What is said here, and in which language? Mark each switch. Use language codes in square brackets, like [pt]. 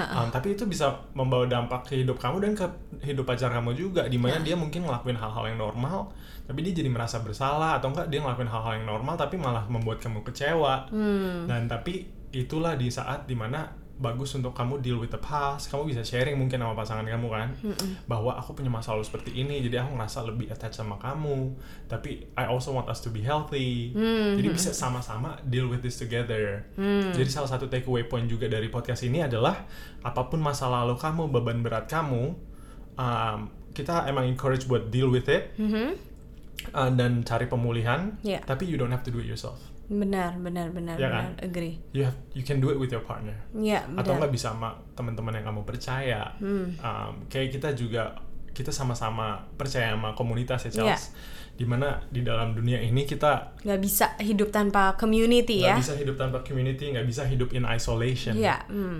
[id] Tapi itu bisa membawa dampak ke hidup kamu dan ke hidup pacar kamu juga, dimana dia mungkin ngelakuin hal-hal yang normal tapi dia jadi merasa bersalah, atau enggak dia ngelakuin hal-hal yang normal tapi malah membuat kamu kecewa. Dan tapi itulah di saat dimana bagus untuk kamu [en] deal with the past. [id] Kamu bisa sharing mungkin sama pasangan kamu kan, mm-hmm. bahwa aku punya masa lalu seperti ini, jadi aku ngerasa lebih attached sama kamu. Tapi [en] I also want us to be healthy. [id] Mm-hmm. Jadi bisa sama-sama deal with this together. Mm. Jadi salah satu takeaway point juga dari podcast ini adalah apapun masa lalu kamu, beban berat kamu, kita emang encourage buat [en] deal with it, [id] mm-hmm. Dan cari pemulihan. Yeah. Tapi [en] you don't have to do it yourself. [id] Benar, agree. [en] You can do it with your partner. [id] Ya, benar. Atau nggak bisa sama teman-teman yang kamu percaya. Kayak kita juga, kita sama-sama percaya sama komunitas ya, Charles. Yeah. Dimana di dalam dunia ini kita... Nggak bisa hidup tanpa community ya. Nggak bisa hidup tanpa community, nggak bisa hidup [en] in isolation. Ya. Yeah.